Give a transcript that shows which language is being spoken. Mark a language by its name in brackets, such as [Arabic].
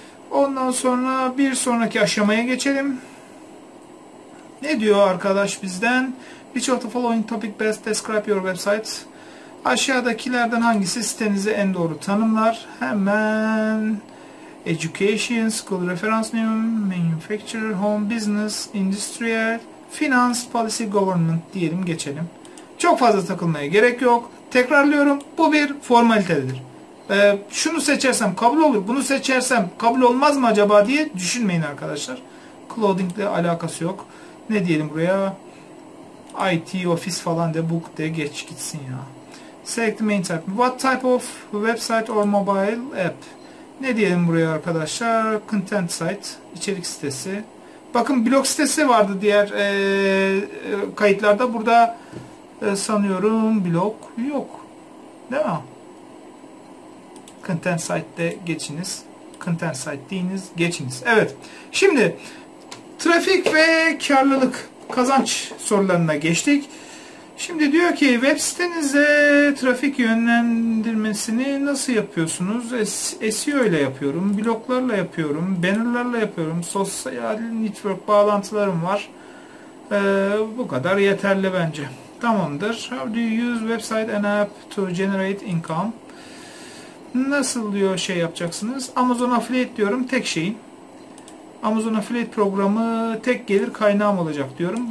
[Turkish] Ondan sonra bir sonraki aşamaya geçelim. Ne diyor arkadaş bizden? [English] Which of the following topic best describe your website? [Turkish] Aşağıdakilerden hangisi sitenizi en doğru tanımlar? Hemen [English] education, school reference name, manufacturer, home, business, industrial, finance, policy, government [Turkish] diyelim, geçelim. Çok fazla takılmaya gerek yok. Tekrarlıyorum, bu bir formalitedir. Şunu seçersem kabul olur, bunu seçersem kabul olmaz mı acaba diye düşünmeyin arkadaşlar. Clothing ile alakası yok. Ne diyelim buraya? IT, office falan de, book de, geç gitsin ya. [English] Select the main type. What type of website or mobile app? [Turkish] Ne diyelim buraya arkadaşlar? Content site, içerik sitesi. Bakın blog sitesi vardı diğer kayıtlarda. Burada sanıyorum blog yok. Değil mi? Content site'de geçiniz. Content site deyiniz, geçiniz. Evet. Şimdi trafik ve karlılık, kazanç sorularına geçtik. Şimdi diyor ki web sitenize trafik yönlendirmesini nasıl yapıyorsunuz? SEO ile yapıyorum, bloglarla yapıyorum, bannerlarla yapıyorum, sosyal network bağlantılarım var. Bu kadar yeterli bence. Tamamdır. [English] How do you use website and app to generate income? [Turkish] Nasıl diyor şey yapacaksınız? Amazon Affiliate diyorum, tek şeyim. Amazon Affiliate programı tek gelir kaynağım olacak diyorum.